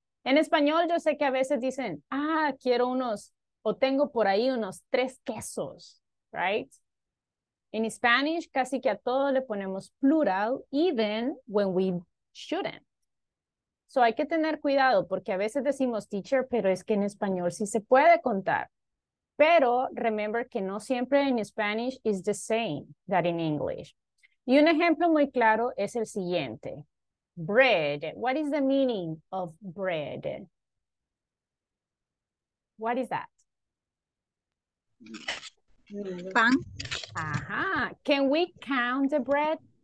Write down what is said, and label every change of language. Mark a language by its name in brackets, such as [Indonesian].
[Spanish] En español yo sé que a veces dicen, ah, quiero unos, o tengo por ahí unos tres quesos, right? [English] In Spanish, [Spanish] casi que a todo le ponemos plural, [English] even when we shouldn't. [Spanish] So hay que tener cuidado, porque a veces decimos teacher, pero es que en español sí se puede contar. Pero [English] remember [Spanish] que no siempre [English] in Spanish is the same that in English. [Spanish] Y un ejemplo muy claro es el siguiente. [English] Bread. What is the meaning of bread? What is that? [Spanish] Pan. [English] Aha. Can we count the bread?